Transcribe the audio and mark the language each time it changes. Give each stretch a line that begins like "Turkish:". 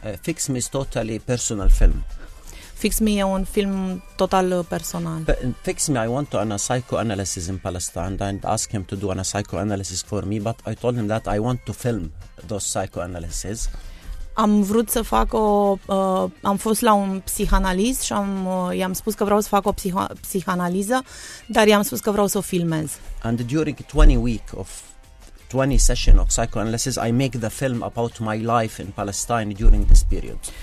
English: Fix Me is totally personal film.
Romanian: Fix Me e un film total personal.
English: Fix Me, I want to do a psychoanalysis in Palestine and ask him to do a psychoanalysis for me, but I told him that I want to film those psychoanalysis.
Romanian: Am vrut să fac o... am fost la un psihanalist și i-am spus că vreau să fac o psihanaliză, dar i-am spus că vreau să o filmez.
English: And during 20 weeks of 20 sessions of psychoanalysis, I make the film about my life in Palestine during this period.